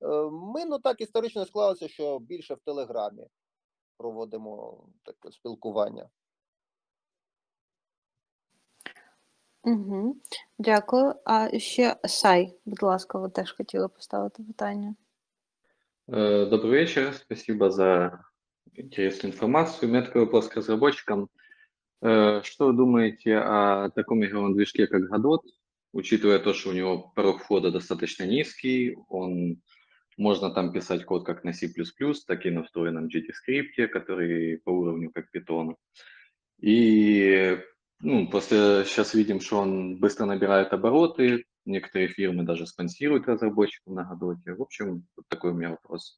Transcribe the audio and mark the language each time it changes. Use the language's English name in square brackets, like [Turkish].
[Ukrainian] Ми, ну, так історично склалося, що більше в Телеграмі проводимо таке спілкування. Угу. Дякую. А ще Сай, будь ласка, ви теж хотіли поставити питання. Добрий вечір, [Russian] спасибо за интересную информацию. У меня такой вопрос к разработчикам. Что вы думаете о таком игровом движке, как Godot, учитывая то, что у него порог входа достаточно низкий, он можно там писать код как на C++, так и на встроенном JavaScript, который по уровню как Python. И ну, после сейчас видим, что он быстро набирает обороты, некоторые фирмы даже спонсируют разработчиков на Godot. В общем, вот такой у меня вопрос.